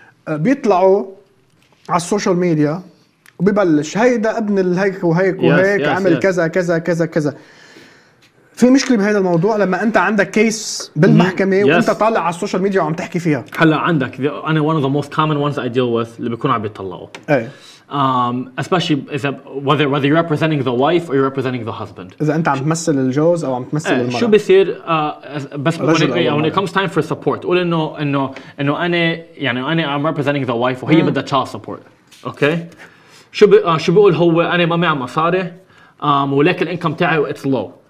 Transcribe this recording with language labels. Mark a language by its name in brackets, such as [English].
[Arabic] بيطلعوا على السوشيال ميديا. وبيبلش هيدا ابن الهيك وهيك وهيك [English] yes, yes, [Arabic] عمل yes. كذا كذا كذا كذا في مشكلة بهذا الموضوع لما انت عندك كيس بالمحكمة yes. وانت طالع على السوشيال ميديا وعم تحكي فيها هلا عندك انا [English] one of the most common ones I deal with [Arabic] اللي بيكونوا عم بيطلقوا ايه [English] especially إذا whether you're representing the wife or you're representing the husband. [Arabic] إذا أنت عم تمثل الجوز أو عم تمثل المرأة. شو بيصير بس [English] when it comes time for support. [Arabic] قول إنه أنا يعني أنا [English] I'm representing the wife [Arabic] وهي بدها [English] child support. Okay. [Arabic] شو بيقول هو أنا ما معي مصاري ولكن الانكم تاعي [English] it's low.